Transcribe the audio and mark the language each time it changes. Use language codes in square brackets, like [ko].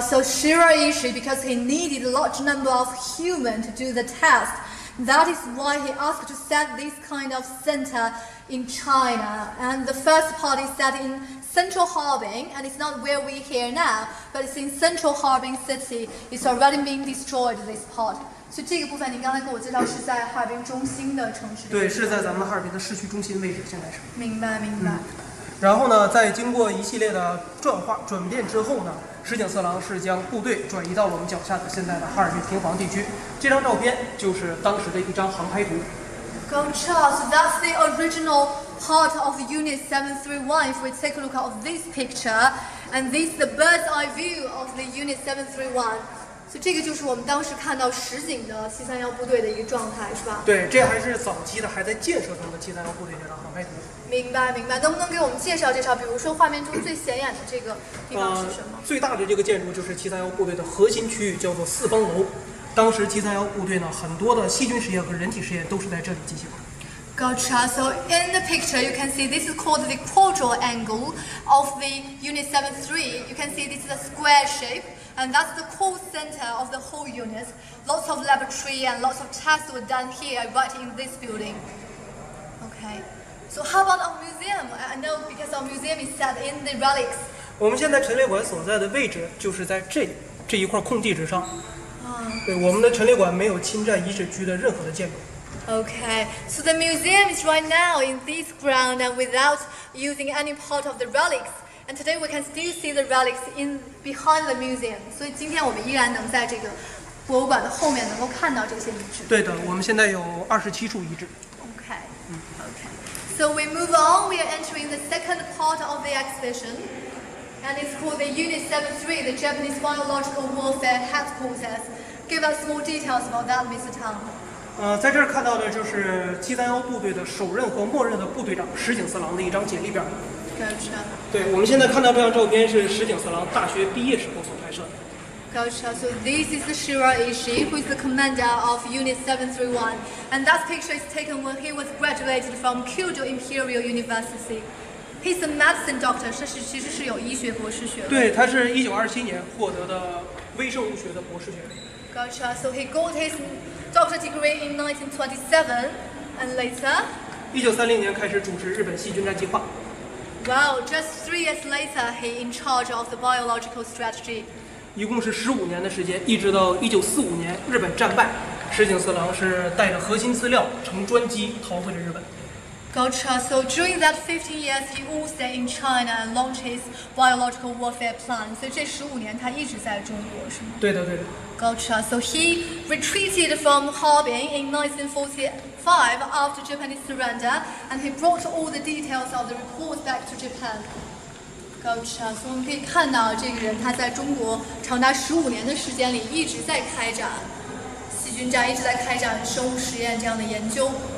[en] So Shiro Ishii, because he needed a large number of humans to do the test, that is why he asked to set this kind of center in China. And the first part is set in Central Harbin, and it's not where we're here now, but it's in Central Harbin City. It's already being destroyed, this part. [zh] 所以这个部分您刚才跟我介绍是在哈尔滨中心的城市。对，是在咱们哈尔滨的市区中心位置，现在是。明白，明白。然后呢，在经过一系列的转化转变之后呢，石井四郎是将部队转移到了我们脚下的现在的哈尔滨平房地区。这张照片就是当时的一张航拍图。 [en] Gotcha. So that's the original heart of Unit 731, if we take a look at this picture, and this is the bird's eye view of the Unit 731. [zh] 所以这个就是我们当时看到实景的七三幺部队的一个状态，是吧？对，这还是早期的，还在建设中的七三幺部队这张航拍图。明白，明白。能不能给我们介绍介绍？比如说画面中最显眼的这个地方是什么？最大的这个建筑就是七三幺部队的核心区域，叫做四方楼。当时七三幺部队呢，很多的细菌实验和人体实验都是在这里进行的。 [en] Gotcha. So in the picture, you can see this is called the quadrilateral angle of the Unit 73. You can see this is a square shape. And that's the core center of the whole unit. Lots of laboratory and lots of tests were done here, right in this building. Okay. So how about our museum? I know because our museum is set in the relics. [zh] 我们现在陈列馆所在的位置就是在这一块空地之上。对，我们的陈列馆没有侵占遗址区的任何的建筑。 [en] Okay. So the museum is right now in this ground and without using any part of the relics. And today we can still see the relics in behind the museum. [zh] 所以今天我们依然能在这个博物馆的后面能够看到这些遗址。对的，我们现在有27处遗址。 [en] Okay. Okay. So we move on. We are entering the second part of the exhibition, and it's called the Unit 73, the Japanese Biological Warfare Headquarters. Give us more details about that, Mr. Tang. [zh] 在这儿看到的就是七三幺部队的首任和末任的部队长石井四郎的一张简历表。 [en] Gotcha. [zh] 对，我们现在看到这张照片是石井四郎大学毕业时候所拍摄的。 [en] Gotcha. So this is Shiraishi, who is the commander of Unit 731, and that picture is taken when he was graduated from Kyoto Imperial University. He's a medicine doctor. [zh] 其实是有医学博士学位。对，他是1927年获得的微生物学的博士学位。 [en] Gotcha. So he got his doctor degree in 1927, and later. [zh] 1930年开始主持日本细菌战计划。 [en] Wow, just 3 years later, he in charge of the biological strategy. [zh] 一共是15年的时间，一直到1945年日本战败，石井四郎是带着核心资料乘专机逃回了日本。 [en] Gotcha. So during that 15 years, he all stayed in China and launched his biological warfare plan. [zh] 所以这十五年他一直在中国，是吗？对的，对的。 [en] Gotcha. So he retreated from Harbin in 1945 after Japanese surrender, and he brought all the details of the report back to Japan. Gotcha. [zh] So 我们可以看到这个人他在中国长达十五年的时间里一直在开展细菌战，一直在开展生物实验这样的研究。